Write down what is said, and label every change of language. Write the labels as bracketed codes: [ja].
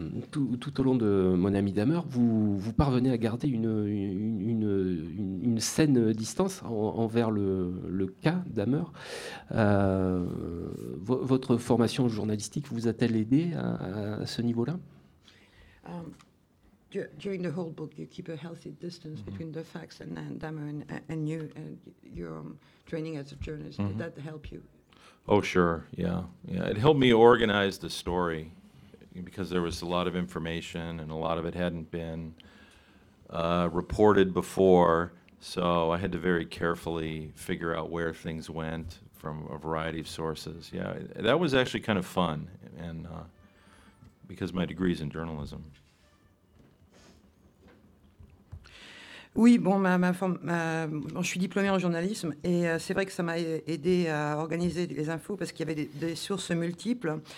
[fr] Tout au long de Mon ami Dahmer, vous parvenez à garder une saine distance envers le cas Dahmer. Votre formation journalistique vous a-t-elle aidé à ce niveau-là? [en] During the whole book, you keep a healthy distance mm-hmm. between the facts and Dahmer and you and your training as a journalist. Mm-hmm. Did that help you? Oh, sure. Yeah. It helped me organize the story because there was a lot of information and a lot of it hadn't been reported before. So I had to very carefully figure out where things went from a variety of sources. Yeah, that was actually kind of fun, and because my degree is in journalism. [fr] Oui, bon, je suis diplômée en journalisme et c'est vrai que ça m'a aidé à organiser les infos parce qu'il y avait des sources multiples.